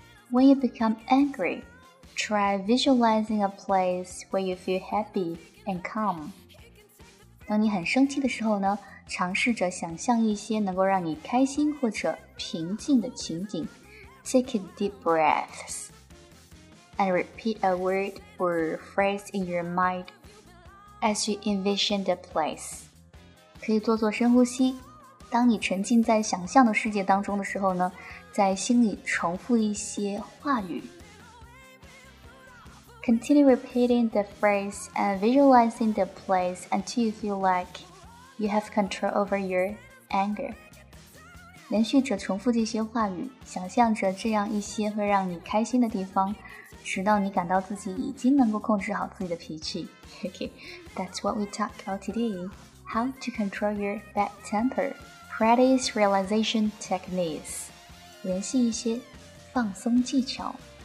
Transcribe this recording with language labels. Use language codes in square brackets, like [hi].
[en] When you become angry, try visualizing a place where you feel happy and calm。 [zh] 当你很生气的时候呢，尝试着想象一些能够让你开心或者平静的情景。 [en] Take a deep breath and repeat a word or phrase in your mind as you envision the place. [zh] 可以做做深呼吸。当你沉浸在想象的世界当中的时候呢，在心里重复一些话语。 [en] Continue repeating the phrase and visualizing the place until you feel like you have control over your anger. [zh] 连续着重复这些话语，想象着这样一些会让你开心的地方，直到你感到自己已经能够控制好自己的脾气。 [en] Okay, that's what we talk about today. How to control your bad temper. Practice relaxation techniques. [zh] 联系一些放松技巧。